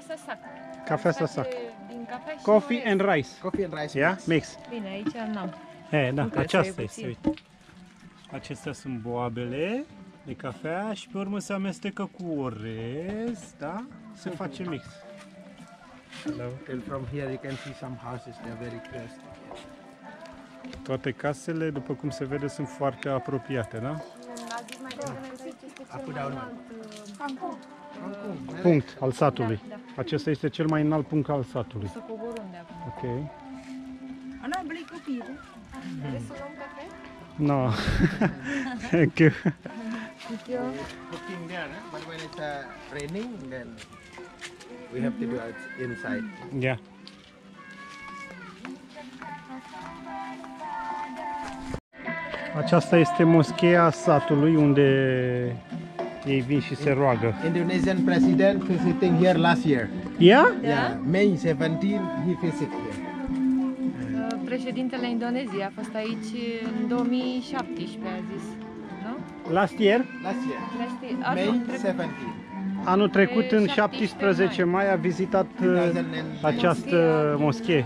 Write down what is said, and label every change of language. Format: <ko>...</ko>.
<ro>sasac. Cafea din cafea și</ro> <en>coffee and rice. Coffee and rice. Yeah, mix.</en> <ro>Bine, aici n-am. Hey, da, nu aceasta este, uite. Acestea sunt boabele de cafea și pe urmă se amestecă cu orez, da? Se face mix.</ro> <en>Hello. And from here you can see some houses, they are very close.</en> <ro>Toate casele, după cum se vede, sunt foarte apropiate, da? A zis mai devreme că este cel mai înalt punct al satului. Acesta este cel mai înalt punct al satului. Să coborăm de acolo. Ok. Ana, blei copii. Vreți să luăm cafe?</ro> <en>No. Thank you. Thank you. Cooking there, but when it's raining, then we have to do it inside. Yeah.</en> <ro>Aceasta este moscheea satului unde ei vin și se roagă.</ro> <en>Indonesian president visiting here last year. Yeah? Yeah. May 17 he visit here.</en> <ro>Președintele Indoneziei a fost aici în 2017, a zis, nu?</ro> <en>Last year? Last year. May 17.</en> <ro>Anul trecut, în 17 mai, a vizitat această moschee.</ro>